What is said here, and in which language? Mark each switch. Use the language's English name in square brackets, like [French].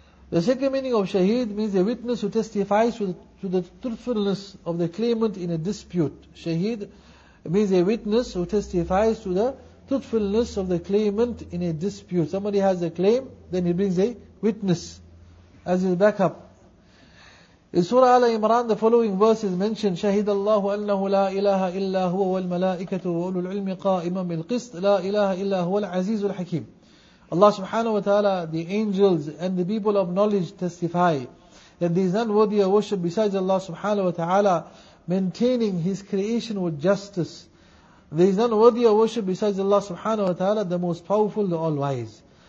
[English] The second meaning of shaheed means a witness who testifies to the truthfulness of the claimant in a dispute. Shaheed means a witness who testifies to the truthfulness of the claimant in a dispute. Somebody has a claim, then he brings a witness as his backup. In Surah Al-Imran, the following verse is mentioned, [Arabic] شَهِدَ اللَّهُ أَنَّهُ لَا إِلَهَ إِلَّا هُوَ وَالْمَلَائِكَةُ وَأُولُو الْعِلْمِ قَائِمًا بِالْقِسْطِ لَا إِلَهَ إِلَّا هُوَ الْعَزِيزُ الْحَكِيمُ. [English] Allah subhanahu wa ta'ala, the angels and the people of knowledge testify that there is none worthy of worship besides Allah subhanahu wa ta'ala, maintaining His creation with justice. There is none worthy of worship besides Allah subhanahu wa ta'ala, the most powerful, the all-wise.